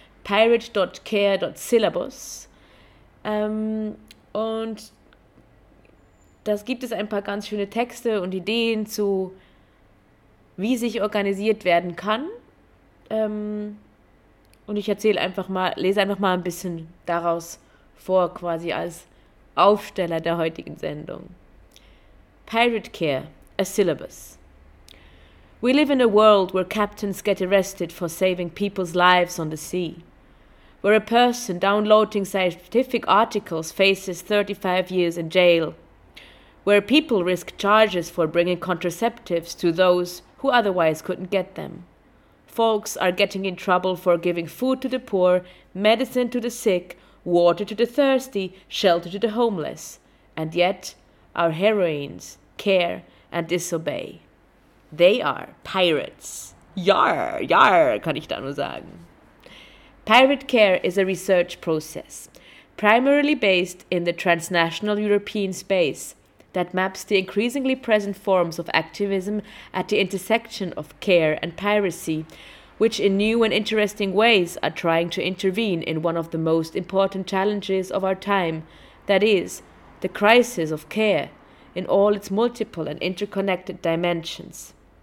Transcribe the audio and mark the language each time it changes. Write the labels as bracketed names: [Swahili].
[German] pirate.care.syllabus. Und das gibt es ein paar ganz schöne Texte und Ideen zu, wie sich organisiert werden kann. Und ich erzähle einfach mal, lese einfach mal ein bisschen daraus vor, quasi als Aufsteller der heutigen Sendung. [English] Pirate Care, a syllabus. We live in a world where captains get arrested for saving people's lives on the sea. Where a person downloading scientific articles faces 35 years in jail. Where people risk charges for bringing contraceptives to those who otherwise couldn't get them. Folks are getting in trouble for giving food to the poor, medicine to the sick, water to the thirsty, shelter to the homeless. And yet, our heroines care and disobey. They are pirates. [German] Yar, yar, kann ich da nur sagen. [English] Pirate Care is a research process, primarily based in the transnational European space, that maps the increasingly present forms of activism at the intersection of care and piracy, which in new and interesting ways are trying to intervene in one of the most important challenges of our time, that is, the crisis of care in all its multiple and interconnected dimensions.